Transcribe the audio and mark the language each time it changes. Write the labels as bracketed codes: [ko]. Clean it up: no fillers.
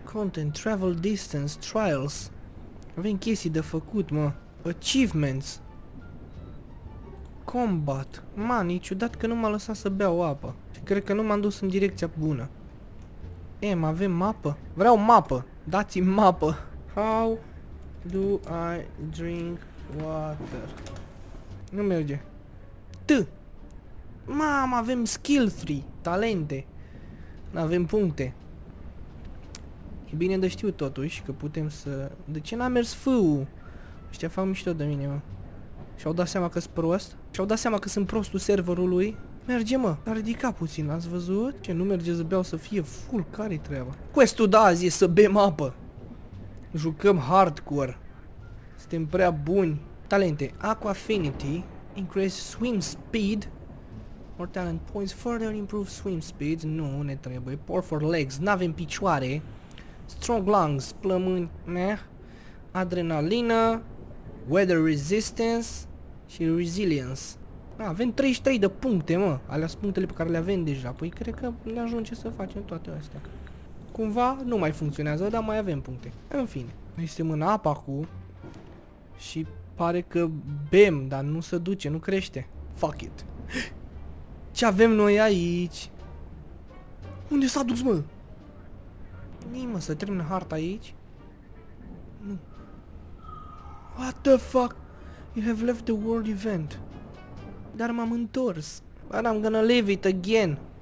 [en] Content, travel distance, trials. [ro] Avem chestii de făcut, mă. Achievements. Combat. Man, e ciudat că nu m-a lăsat să beau apă. Cred că nu m-am dus în direcția bună. Avem mapă? Vreau mapă, dați-mi mapă. [en] How do I drink water? [ro] Nu merge. T. Mamă, avem skill 3, talente. N-avem puncte. E bine de știut totuși că putem să... De ce n-a mers F-ul? Ăștia fac mișto de mine, mă. Și-au dat seama că-s prost. Și-au dat seama că sunt prostul serverului. Merge, mă. A ridicat puțin, ați văzut? Ce, nu merge să beau să fie full? Care-i treaba? Quest-ul de azi e să bem apă. Jucăm hardcore. Suntem prea buni. Talente. [en] Aqua Affinity. Increase swim speed. More talent points, further improve swim speed. [ro] Nu, ne trebuie. [en] Poor for legs, [ro] n-avem picioare. [en] Strong lungs, [ro] plămâni, [en] meh. [ro] Adrenalină. Weather resistance. Și resilience. Avem 33 de puncte, mă. Alea sunt punctele pe care le avem deja. Păi cred că ne ajunge să facem toate astea. Cumva nu mai funcționează, dar mai avem puncte. În fine. Noi suntem în apa acum. Și pare că bem, dar nu se duce, nu crește. Fuck it. Ce avem noi aici? Unde s-a dus, mă? Nimă, să termin harta aici? [en] Nu. What the fuck? You have left the world event. [ro] Dar m-am întors. [en] But I'm gonna leave it again.